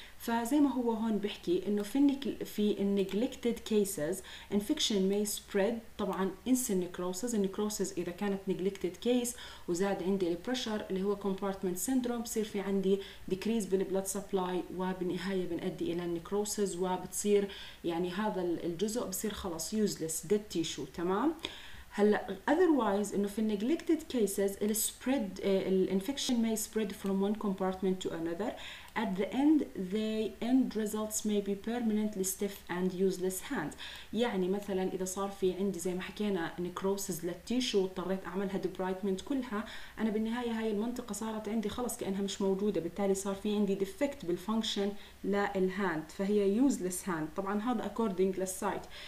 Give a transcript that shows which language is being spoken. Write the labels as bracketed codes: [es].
[ar] فزي ما هو هون بيحكي انه في النيجليكتد كيسز انفكشن ماي سبريد، طبعا انس النيكروسز، النيكروسز اذا كانت نيجليكتد كيس وزاد عندي البريشر اللي هو كومبارتمنت سيندروم، بصير في عندي ديكريز بالبلد سبلاي وبالنهايه بنؤدي الى النيكروسز وبتصير يعني هذا الجزء بصير خلاص يوزلس ديد تيشو، تمام؟ هلا otherwise انه في [en] neglected cases the spread the infection may spread from one compartment to another at the end they end results may be permanently stiff and useless hands. [ar] يعني مثلا إذا صار في عندي زي ما حكينا necrosis للتيشو واضطريت أعملها debridement كلها, أنا بالنهاية هاي المنطقة صارت عندي خلص كأنها مش موجودة, بالتالي صار في عندي defect بالfunction للهاند, فهي [en] useless hand. [ar] طبعا هذا [en] according to the site.